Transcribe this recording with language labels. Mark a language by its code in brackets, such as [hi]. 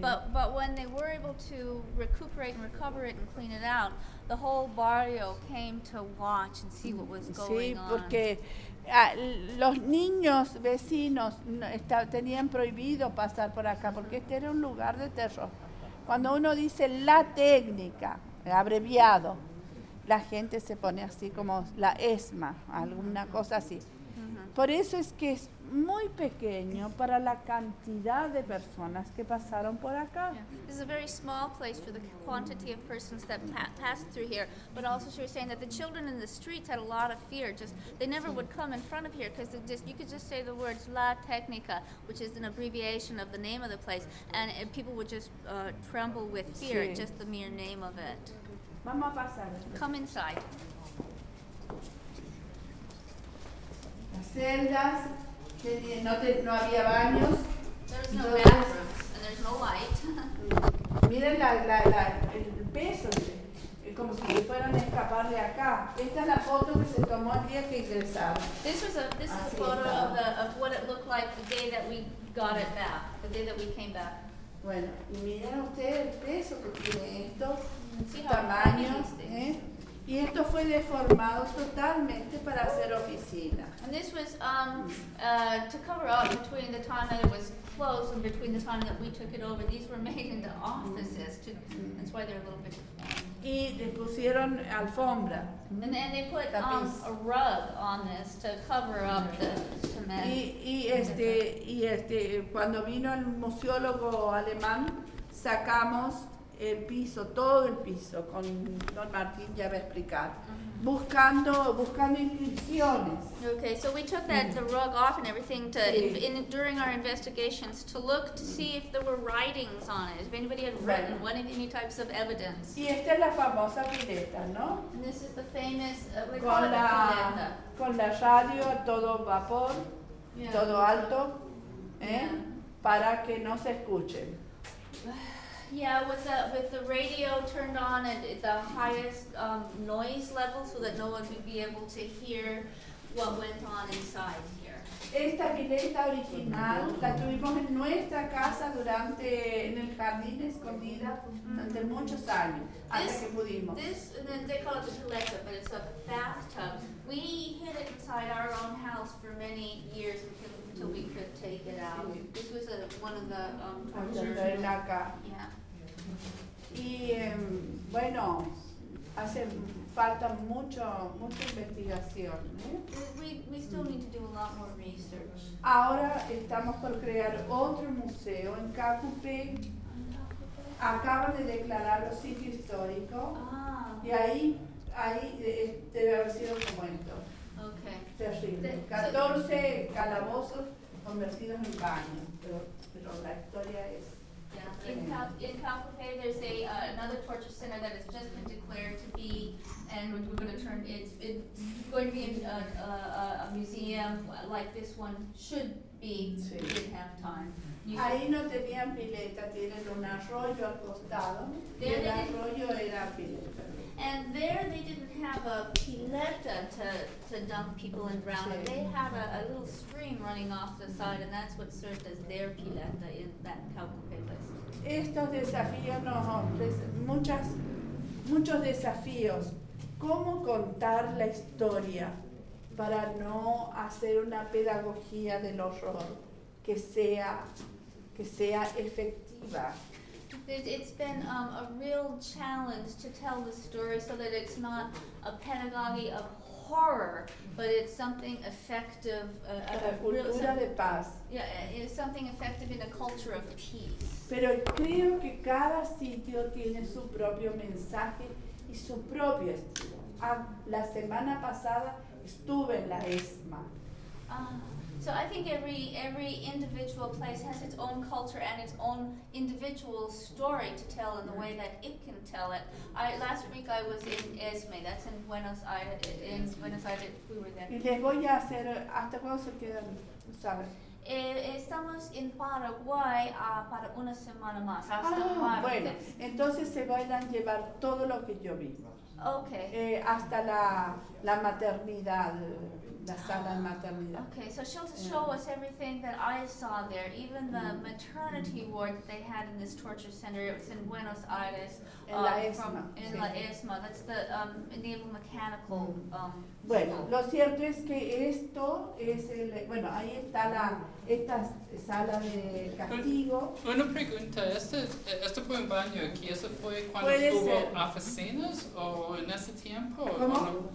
[en] but when they were able to recuperate and recover it and clean it out, the whole barrio came to watch and see what was going on. [es] Sí, porque los niños vecinos tenían prohibido pasar por acá porque este era un lugar de terror. Cuando uno dice la técnica, abreviado, la gente se pone así como la ESMA, alguna cosa así. Por eso es que es muy pequeño para la cantidad de personas que pasaron por acá. [en] Yeah. It's a very small place for the quantity of persons that passed through here. But also she was saying that the children in the streets had a lot of fear. Just they never would come in front of here because you could just say the words La Técnica, which is an abbreviation of the name of the place, and people would just tremble with fear, [es] sí. [en] just the mere name of it. [es] Vamos a pasar. [en] Come inside. [es] Las celdas, no había baños. [en] There's no bathrooms, and there's no light. [es] Miren el peso, como si fueran a escapar de acá. Esta es la foto que se tomó el día que ingresaron. [en] This is a photo of what it looked like the day that we got it back, the day that we came back. [es] Bueno, y miren ustedes el peso que tiene esto, su tamaño, Y esto fue deformado totalmente para hacer oficina. [en] And this was to cover up between the time that it was closed and between the time that we took it over. These were made into offices. That's why they're a little bit different. [es] Y le pusieron alfombra. [en] And then they put a rug on this to cover up the cement. [es] Y cuando vino el museólogo alemán, sacamos el piso, todo el piso, con Don Martín ya va a explicar, mm-hmm. buscando inscripciones. [en] Okay, so we took that the rug off and everything to during our investigations to look to see if there were writings on it, if anybody had written, [es] bueno. [en] Any types of evidence. [es] Y esta es la famosa pileta, ¿no? [en] And this is the famous [es] con la radio todo vapor, [en] yeah. [es] todo alto, [en] yeah. [es] para que no se escuchen. [en] Yeah, with the radio turned on at the highest noise level so that no one would be able to hear what went on inside here. [es] Esta pileta original la tuvimos en nuestra casa durante en el jardín escondida durante muchos años hasta que pudimos. [en] This, they call it the pileta, but it's a bathtub. We hid it inside our own house for many years until we could take it out. This was one of the tortures. Yeah. [es] Y bueno, hace falta mucha investigación. [en] We still need to do a lot more research. [es] Ahora estamos por crear otro museo en Kakupe. Acaban de declararlo sitio histórico. Ah. Y ahí debe haber sido como esto. [en] Okay. [es] Terrible. 14 calabozos convertidos en baños. Pero la historia es. [en] In Calcafe, there's another torture center that has just been declared to be, and we're going to turn it's going to be a museum like this one should be. [es] Sí. [en] We didn't have time. [es] Ahí no tenían pileta, tienen un arroyo al costado. [en] There [es] y el arroyo era pileta. [en] And there they didn't have a pileta to dump people and drown them. [es] Sí. [en] They had a little stream running off the side, and that's what served as their pileta in that Calcafe place. [es] Estos desafíos nos ofrecen muchos desafíos. ¿Cómo contar la historia para no hacer una pedagogía del horror que sea efectiva? [en] It's been a real challenge to tell the story so that it's not a pedagogy of horror, but it's something effective. It's something effective in a culture of peace. [es] Pero creo que cada sitio tiene su propio mensaje y su propio estilo. La semana pasada estuve en la ESMA. [en] So I think every individual place has its own culture and its own individual story to tell in the way that it can tell it. Last week I was in ESME, that's in Buenos Aires, we were there. [es] Y les voy a hacer, ¿hasta cuándo se quedan? ¿Sabes? Estamos en Paraguay para una semana más. Bueno, entonces se van a llevar todo lo que yo vi. [en] Okay. [es] Hasta la maternidad. La sala de maternidad. [en] Okay, so she'll show us everything that I saw there, even the maternity ward that they had in this torture center. It was in Buenos Aires. [es] La ESMA. [en] That's the naval mechanical. [es] Bueno, lo cierto es que esto es el. Bueno, ahí está esta sala de castigo. Una pregunta: ¿esto fue un baño aquí? ¿Eso fue cuando hubo oficinas o en ese tiempo? ¿Cómo?